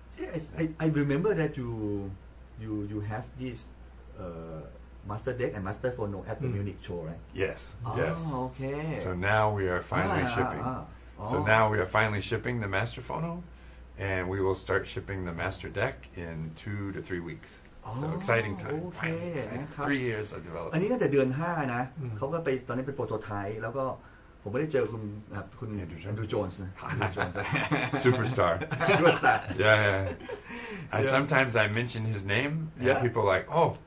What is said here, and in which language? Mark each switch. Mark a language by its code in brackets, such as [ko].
[en] Yeah, I remember that you have this Master Deck and Master Phono at the Munich show, right? Yes. Oh, okay. So now we are finally shipping. So now we are finally shipping the Master Phono, and we will start shipping the Master Deck in 2 to 3 weeks. So exciting time. Okay, exciting. 3 years of development. [th] อันนี้ตั้งแต่เดือน5นะเขาก็ไปตอนนี้เป็นโปรโตไทป์แล้วก็ผมไม่ได้เจอคุณแอนดรูว์โจนส์ [en] superstar superstar yeah I sometimes I mention his name and people are like oh